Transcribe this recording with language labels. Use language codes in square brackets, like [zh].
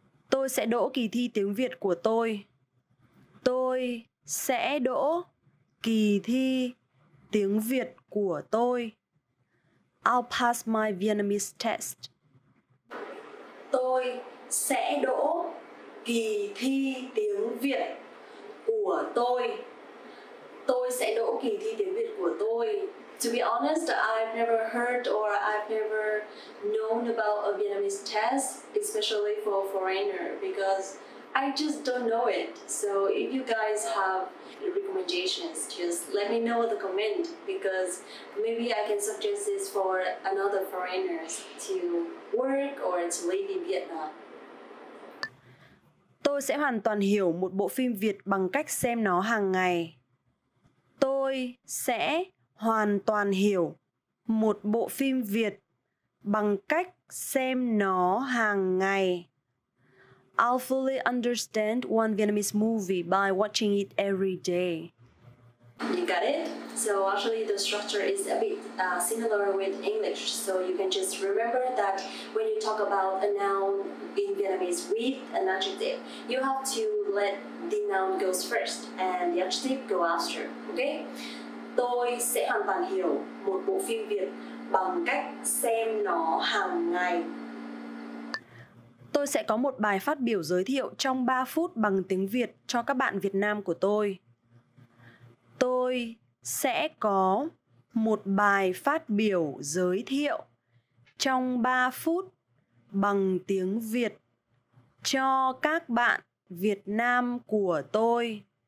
[vi] Tôi sẽ đỗ kỳ thi tiếng Việt của tôi. Tôi sẽ đỗ kỳ thi tiếng Việt của tôi. [en] I'll pass my Vietnamese test. [vi] Tôi sẽ đỗ kỳ thi tiếng Việt của tôi. Tôi sẽ đỗ kỳ thi tiếng Việt của tôi. [en] To be honest, I've never heard or I've never known about a Vietnamese test, especially for a foreigner, because I just don't know it. So if you guys have recommendations, just let me know in the comment, because maybe I can suggest this for another foreigners to work or to live in Vietnam. [vi] Tôi sẽ hoàn toàn hiểu một bộ phim Việt bằng cách xem nó hàng ngày. Tôi sẽ hoàn toàn hiểu một bộ phim Việt bằng cách xem nó hàng ngày. [en] I'll fully understand one Vietnamese movie by watching it every day. You got it? So actually the structure is a bit similar with English. So you can just remember that when you talk about a noun in Vietnamese with an adjective, you have to let the noun go first and the adjective go after, okay? [vi] Tôi sẽ hoàn toàn hiểu một bộ phim Việt bằng cách xem nó hàng ngày. Tôi sẽ có một bài phát biểu giới thiệu trong 3 phút bằng tiếng Việt cho các bạn Việt Nam của tôi. Tôi sẽ có một bài phát biểu giới thiệu trong 3 phút bằng tiếng Việt cho các bạn Việt Nam của tôi.